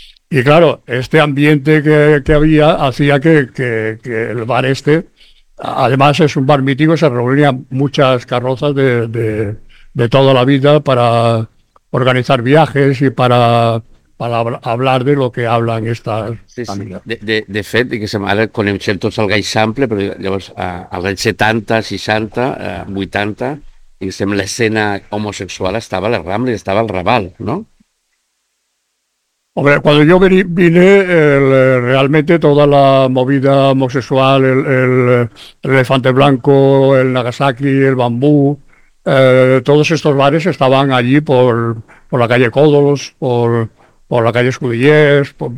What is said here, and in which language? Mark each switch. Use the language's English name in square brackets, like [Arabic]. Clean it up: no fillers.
[Spanish] Y claro, este ambiente que había hacía que el bar este, además es un bar mítico, se reunían muchas carrozas de toda la vida para organizar viajes y para hablar de lo que hablan estas familias. [Catalan] De fet, que ara coneixem tots el Gaixample, però llavors als anys 70, 60, 80, diguéssim, l'escena homosexual estava a la Rambla i estava al Raval, no? [Spanish] Hombre, cuando yo vine, realmente toda la movida homosexual, el Elefante Blanco, el Nagasaki, el Bambú, todos estos bares estaban allí por la calle Códolos, por la calle Escudillers,